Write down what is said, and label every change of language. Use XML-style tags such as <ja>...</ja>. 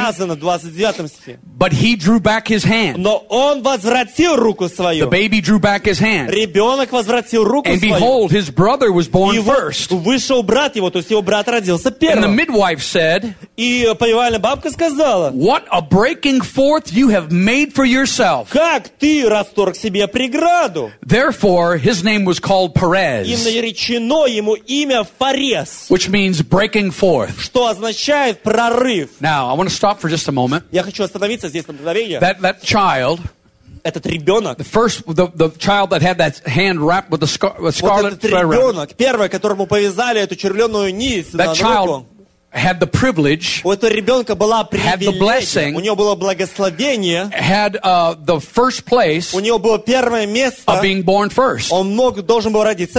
<ru>сказано, 29 стихе,</ru> <en>but he drew back his hand.</en> <ru>Но он возвратил руку свою.</ru> <en>The baby drew back his hand.</en> <ru>Ребенок возвратил руку</ru> <en>and</en> <ru>свою.</ru> <en>Behold, his brother was born</en> <ru>и</ru> <en>first.</en> <ru>Вышел брат его, то есть его брат родился первым.</ru> <en>And the midwife said,</en> <ru>и повивальная бабка сказала,</ru> <en>what a breaking forth you have made for yourself.</en> <ru>Как ты расторг себе преграду.</ru> <en>Therefore, his name was called Perez.</en> <ru>И наречено ему имя Фарес.</ru> <en>Which means breaking forth.</en> <ru>Что означает прорыв.</ru> <en>Now, I want to stop for just a moment.</en> <ru>Я хочу остановиться здесь на мгновение.</ru> <en>That child,</en> <ru>этот ребенок,</ru> <en>the first, the child that had that hand wrapped with a scarlet</en> <ru>вот этот ребенок, первый, которому повязали эту червленую нить</ru> <en>that</en> <ru>на</ru> <en>child</en> <ru>руку,</ru> <en>had the privilege,</en> <ru>у этого ребенка была привилегия,</ru> <en>had the blessing,</en> <ru>у него было благословение,</ru> <en>had the first place,</en> <ru>у него было первое место,</ru> <en>of being born first.</en> <ru>Он мог, должен был родиться</ru>